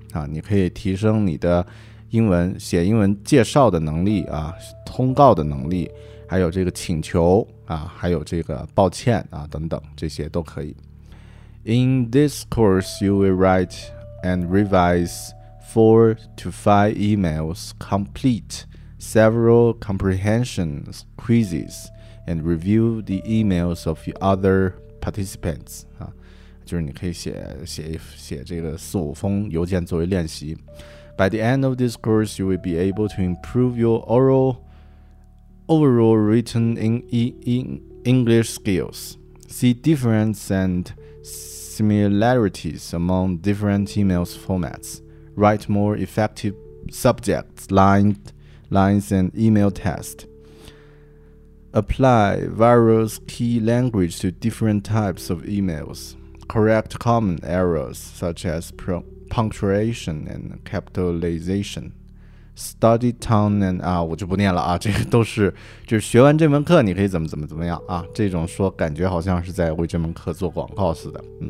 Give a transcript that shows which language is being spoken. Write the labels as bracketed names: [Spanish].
[Chinese] 啊，你可以提升你的英文写英文介绍的能力啊，通告的能力，还有这个请求啊，还有这个抱歉啊等等，这些都可以。 [English] In this course, you will write and revise 4 to 5 emails, complete several comprehension quizzes, and review the emails of the other participants. [Chinese] 啊，就是你可以写这个四五封邮件作为练习。 [English] By the end of this course, you will be able to improve your overall written in English skills. See difference and similarities among different email formats. Write more effective subject lines and email tests. Apply various key language to different types of emails. Correct common errors such as punctuation and capitalization. Study tone and [Chinese] 啊，我就不念了啊，这个都是就是学完这门课你可以怎么样啊，这种说感觉好像是在为这门课做广告似的。